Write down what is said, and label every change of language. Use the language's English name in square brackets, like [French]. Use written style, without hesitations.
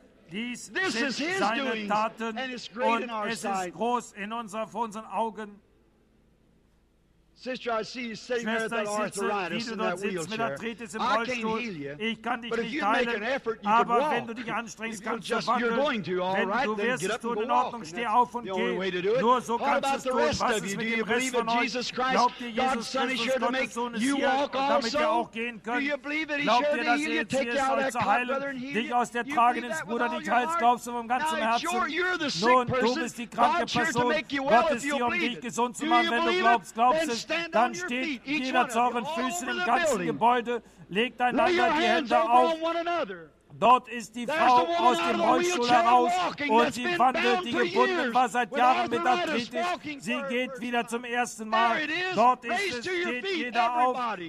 [German] Dies sind seine Taten und es ist groß in unseren Augen. [English] Sister, I see you sitting there at that arthritis in that wheelchair. I can't heal you, but if you make an effort, you [German] aber [English] can walk. [German] Wenn du dich anstrengst, kannst du wandeln. [English] You're going to, all right, then get up and go walk. [German] Steh auf und geh. [English] The only way to do it. [German] Nur so [English] what about the rest [German] was [English] of you? Do you believe in Jesus Christ? God's Son is here to make you walk also? Do you believe that he's here to heal you, take you out of that cup, brother, and heal you? Do you believe that with all your heart? Now, you're the sick person. God's here to make you well if you believe it. Do you believe it? [German] Dann steht jeder zu euren Füßen im ganzen Gebäude, legt einander die Hände auf. Dort ist die Frau aus dem Rollstuhl heraus und sie wandelt, die gebunden war seit Jahren mit Arthritis. Sie geht wieder zum ersten Mal. Dort ist es, steht jeder auf.